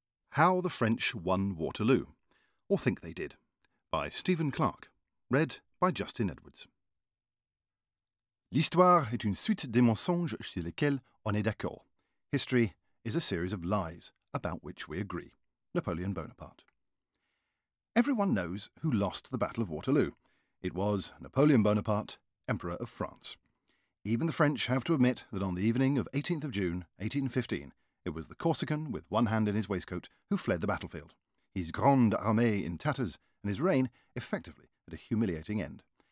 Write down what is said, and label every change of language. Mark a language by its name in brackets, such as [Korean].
[English] How the French Won Waterloo, or Think They Did, by Stephen Clarke, read by Justin Edwards. [French] L'histoire est une suite de mensonges sur lesquels on est d'accord. [English] History is a series of lies about which we agree. Napoleon Bonaparte. Everyone knows who lost the Battle of Waterloo. It was Napoleon Bonaparte, Emperor of France. Even the French have to admit that on the evening of 18th of June, 1815, it was the Corsican with one hand in his waistcoat who fled the battlefield, his Grande Armée in tatters, and his reign effectively at a humiliating end.